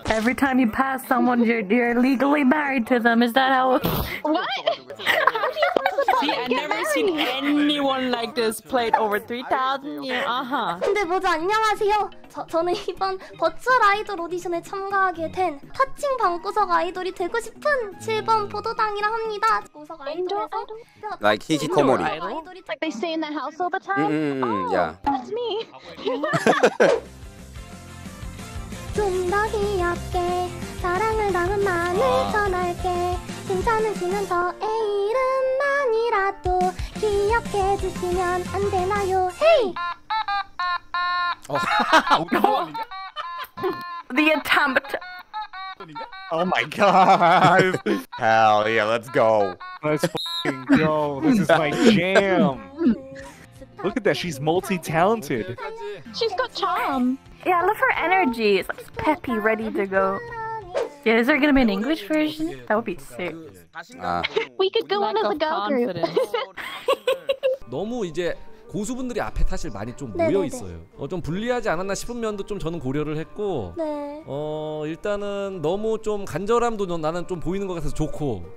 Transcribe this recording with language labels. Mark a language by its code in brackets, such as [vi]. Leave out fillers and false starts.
[en] Every time you pass someone, you're legally married to them. Is that how? What? How do you first get married? See, I've never seen anyone like this played over 3,000 years. Uh-huh. [ko] 근데 모두 안녕하세요. 저는 이번 버추얼 아이돌 오디션에 참가하게 된 터칭 방구석 아이돌이 되고 싶은 7번 보도당이라 합니다. 구석 아이돌에서 [en] like 히키코모리. Like they stay in the house all the time. Yeah. That's me. [ko] 좀 더 귀엽게 사랑을 담은 말을 전할게. 괜찮으시면 저의 이름만이라도 기억해 주시면 안 되나요? [en] Hey. The attempt. Oh my god. Hell yeah, let's go. Let's fucking go. This is my jam. Look at that, she's multi-talented. She's got charm. Yeah, I love her energy. It's like peppy, ready to go. Yeah, is there gonna be an English version? That would be sick. We could go on as a girl group. [ko] 너무 이제 고수분들이 앞에 사실 많이 좀 모여 있어요. 좀 불리하지 않았나 싶은 면도 좀 저는 고려를 했고, 네. 일단은 너무 좀 간절함도 나는 좀 보이는 것 같아서 좋고,